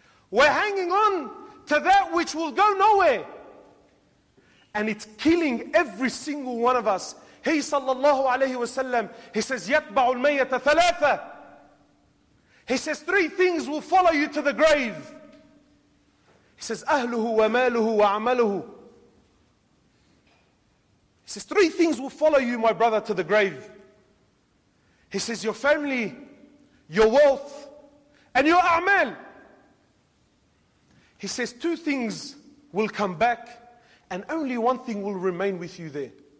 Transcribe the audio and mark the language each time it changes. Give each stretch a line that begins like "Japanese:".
English: We're hanging on to that which will go nowhere. And it's killing every single one of us. He sallallahu alayhi wasallam, he says,
Arabic: يَتْبَعُ الْمَيَّةَ ثَلَاثَةً.
English: He says, three things will follow you to the grave. He says,
Arabic: أَهْلُهُ وَمَالُهُ وَعَمَلُهُ.
English: He says, three things will follow you, my brother, to the grave. He says, your family, your wealth, and your a'mal. He says, two things will come back, and only one thing will remain with you there.